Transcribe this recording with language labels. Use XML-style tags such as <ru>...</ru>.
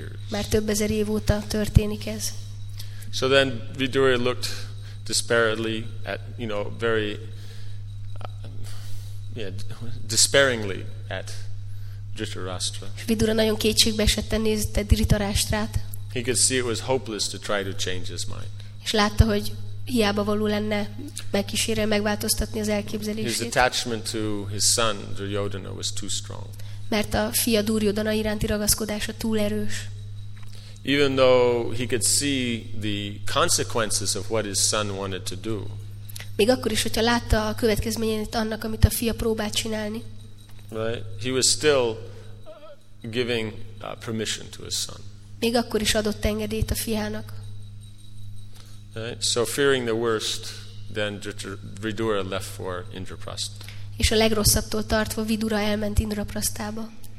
<hu>Már több ezer év óta történik ez.</hu> <en>So then Vidura looked despairedly at, you know, very despairingly at Dhritarashtra.</en> <hu>Vidura nagyon kétségbe esetten nézte Dhritarashtrát.</hu> <en>He could see it was hopeless to try to change his mind.</en> <hu>És látta, hogy hiába való lenne megkísérel megváltoztatni az elképzelését.</hu> <en>His attachment to his son Duryodhana was too strong.</en> <hu>Mert a fia Duryodhana iránti ragaszkodása túl erős.</hu> <en>Even though he could see the consequences of what his son wanted to do.</en> <hu>Még akkor is, hogyha látta a következményeit annak, amit a fia próbált csinálni.</hu> <en>Right? He was still giving permission to his son.</en> <hu>Még akkor is adott engedélyt a fiának.</hu> <en>Right? So fearing the worst, then Vidura left for Indraprastha.</en> <hu>És a legrosszabbtól tartva Vidura elment Indraprasthába.</hu>